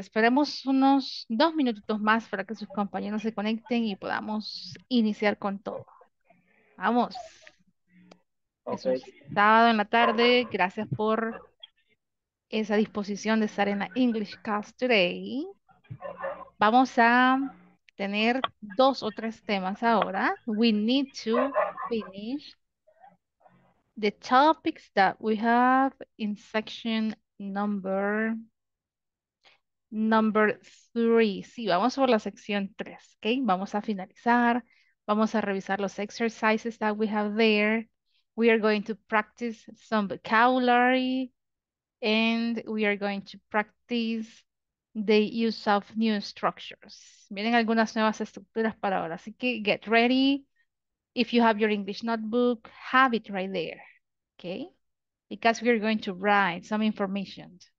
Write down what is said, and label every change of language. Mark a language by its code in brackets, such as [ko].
[es] Esperemos unos 2 minutitos más para que sus compañeros se conecten y podamos iniciar con todo. Vamos. Es un [en] Okay. [es] sábado en la tarde. Gracias por esa disposición de estar en la English Class today. Vamos a tener dos o tres temas ahora. [en] We need to finish the topics that we have in section number 3. [es] Sí, vamos por la sección 3, ¿okay? Vamos a finalizar. Vamos a revisar los [en] exercises that we have there. We are going to practice some vocabulary and we are going to practice the use of new structures. [es] Vienen algunas nuevas estructuras para ahora, así que [en] get ready. If you have your English notebook, have it right there, okay? Because we are going to write some information.